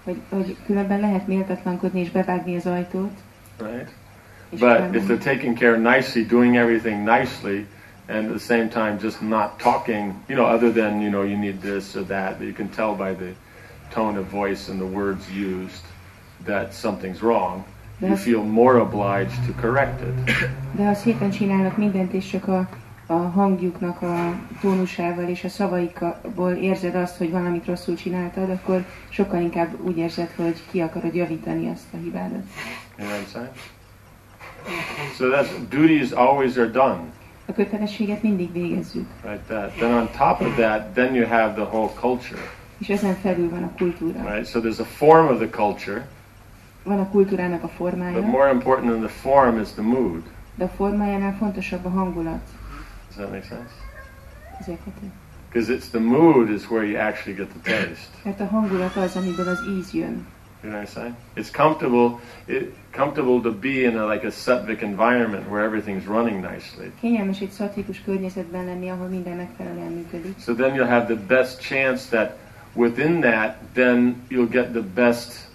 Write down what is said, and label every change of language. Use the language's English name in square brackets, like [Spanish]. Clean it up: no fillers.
[Hungarian] Hogy különben lehet méltatlankodni és bevágni az ajtót. [English] Right? But if they're taking care nicely, doing everything nicely, and at the same time just not talking, you know, other than, you know, you need this or that, but you can tell by the tone of voice and the words used that something's wrong, you feel more obliged to correct it. [Hungarian] De ha szépen csinálnak mindent, és csak a hangjuknak a tónusával és a szavaikból érzed azt, hogy valamit rosszul csináltad, akkor sokkal inkább úgy érzed, hogy ki akarod javítani azt a hibádat. [English] So that duties always are done. [Hungarian] A kötelességet mindig végezzük. [English] Right, that. Then on top of that, then you have the whole culture. [Hungarian] És ezen felül van a kultúra. [English] Right, so there's a form of the culture. [Hungarian] Van a kultúrának a formája. [English] But more important than the form is the mood. [Hungarian] De a formájánál fontosabb a hangulat. [English] Does that make sense? [Hungarian] Ez érthető. [English] Because it's the mood is where you actually get the taste. [Hungarian] Mert a hangulat az, amiből az íz jön. [English] You know what I'm saying? It's comfortable. Comfortable to be in a sattvic environment where everything's running nicely. [Hungarian] Kényelmes egy szattvikus környezetben lenni, ahol minden megfelelően működik. [English] So then you'll have the best chance that within that, then you'll get the best.